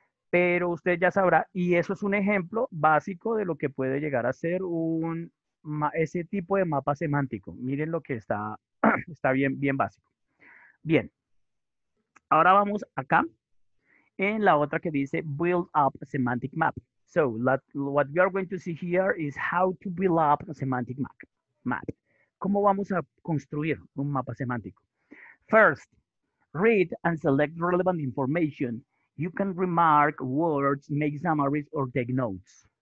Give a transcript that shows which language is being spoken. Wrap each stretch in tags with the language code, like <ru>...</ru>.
<es>Pero usted ya sabrá, y eso es un ejemplo básico de lo que puede llegar a ser ese tipo de mapa semántico. Miren lo que está bien, bien básico. Bien. Ahora vamos acá en la otra que dice</es> <en>build up semantic map. So, what we are going to see here is how to build up a semantic map.</en> <es>¿Cómo vamos a construir un mapa semántico?</es> <en>First, read and select relevant information. You can remark words, make summaries, or take notes.</en>